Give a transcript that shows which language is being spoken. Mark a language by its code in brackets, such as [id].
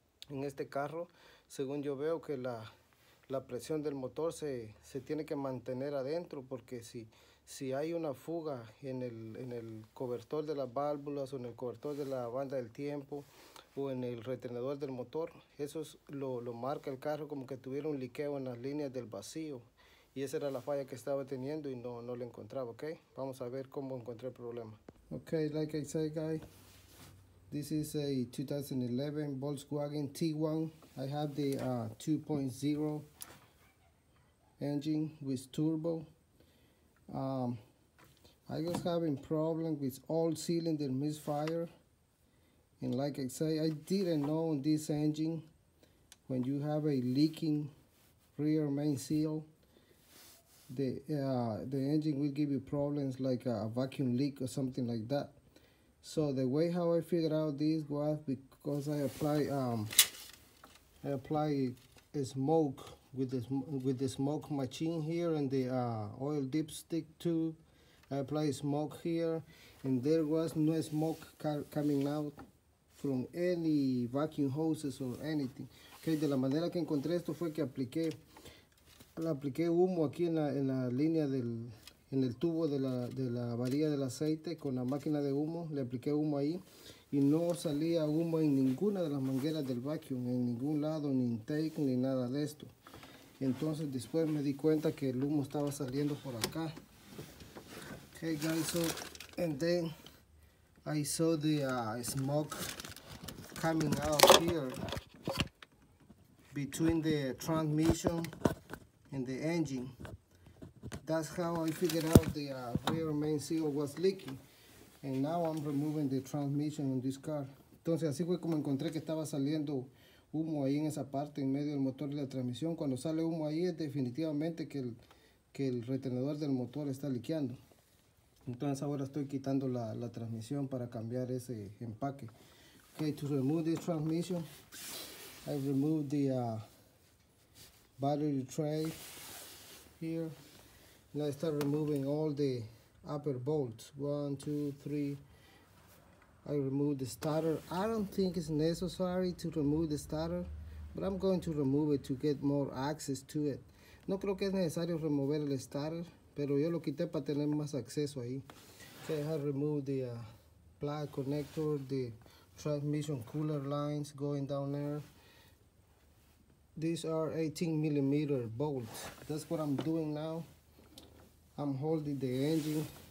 [es] En este carro, según yo veo, que la presión del motor se tiene que mantener adentro, porque si hay una fuga en el cobertor de las válvulas, o en el cobertor de la banda del tiempo, o en el retenedor del motor, eso es lo marca el carro, como que tuviera un liqueo en las líneas del vacío. Y esa era la falla que estaba teniendo y no la encontraba, ¿ok? Vamos a ver cómo encontré el problema. [en] Ok, like I said, guys, this is a 2011 Volkswagen Tiguan. I have the 2.0 engine with turbo. I was having problem with all cylinder misfire. And like I say, I didn't know on this engine, when you have a leaking rear main seal, the engine will give you problems like a vacuum leak or something like that. So the way how I figured out this was because I apply a smoke with the smoke machine here and the oil dipstick tube. I apply smoke here, and there was no smoke coming out from any vacuum hoses or anything. [es] Okay, de la manera que encontré esto fue que apliqué humo aquí en la línea en el tubo de la varilla del aceite con la máquina de humo. Le apliqué humo ahí y no salía humo en ninguna de las mangueras del vacuum, en ningún lado, ni intake, ni nada de esto. Y entonces después me di cuenta que el humo estaba saliendo por acá. [en] Okay guys, so and then I saw the smoke coming out here between the transmission and the engine. That's how I figured out the rear main seal was leaking. And now I'm removing the transmission on this car. [es] Entonces así fue como encontré que estaba saliendo humo ahí en esa parte, en medio del motor y la transmisión. Cuando sale humo ahí es definitivamente que el retenedor del motor está liqueando. Entonces ahora estoy quitando la transmisión para cambiar ese empaque. [en] Okay, to remove this transmission, I removed the battery tray here. Now I start removing all the upper bolts. 1, 2, 3. I removed the starter. I don't think it's necessary to remove the starter, but I'm going to remove it to get more access to it. [es] No creo que es necesario remover el starter, pero yo lo quité para tener más acceso ahí. [en] Okay, I have removed the plug connector, the transmission cooler lines going down there. These are 18 millimeter bolts. That's what I'm doing now. I'm holding the engine.